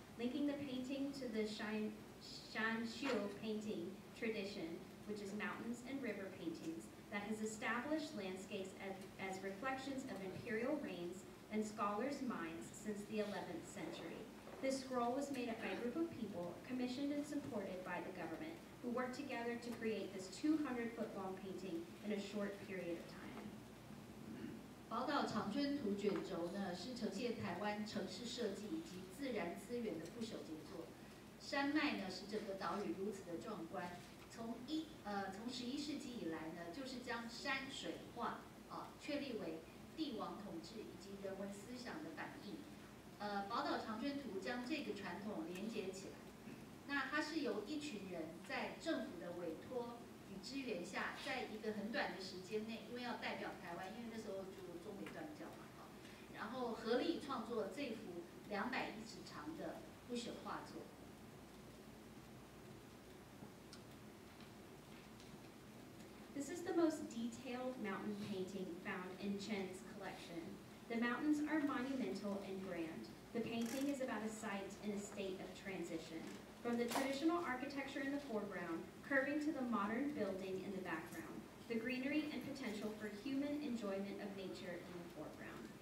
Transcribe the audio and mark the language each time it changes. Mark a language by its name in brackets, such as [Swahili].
[English] Linking the painting to the Shanshu painting tradition, which is mountains and river paintings, that has established landscapes as reflections of imperial reigns and scholars' minds since the 11th century. This scroll was made up by a group of people commissioned and supported by the government who worked together to create this 200-foot-long painting in a short period of time. [Chinese] 宝岛长春图卷轴呢，是呈现台湾城市设计以及自然资源的不朽杰作。山脉呢，是整个岛屿如此的壮观。从十一世纪以来呢，就是将山水画啊，确立为帝王统治以及人文思想的反映。宝岛长春图将这个传统连接起来。那它是由一群人在政府的委托与支援下，在一个很短的时间内，因为要代表台湾，因为那时候就中美断交嘛，然后合力创作这幅210尺长的不朽画作。 [English] This is the most detailed mountain painting found in Chen's collection. The mountains are monumental and grand. The painting is about a site in a state of transition. From the traditional architecture in the foreground, curving to the modern building in the background, the greenery and potential for human enjoyment of nature in the foreground.